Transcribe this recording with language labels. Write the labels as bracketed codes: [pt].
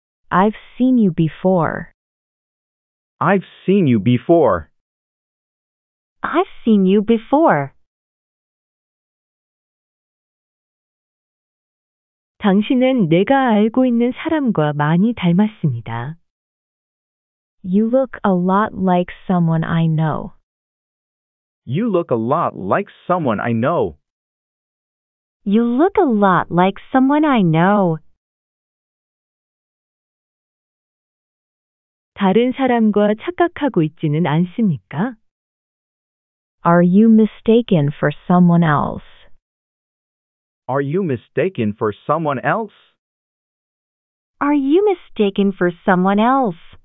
[en] I've seen you before. I've seen you before. I've seen you before. [ko] 당신은 내가 알고 있는 사람과 많이 닮았습니다. [en] You look a lot like someone I know. You look a lot like someone I know. You look a lot like someone I know. [ko] 다른 사람과 착각하고 있지는 않습니까? [en] Are you mistaken for someone else? Are you mistaken for someone else? Are you mistaken for someone else?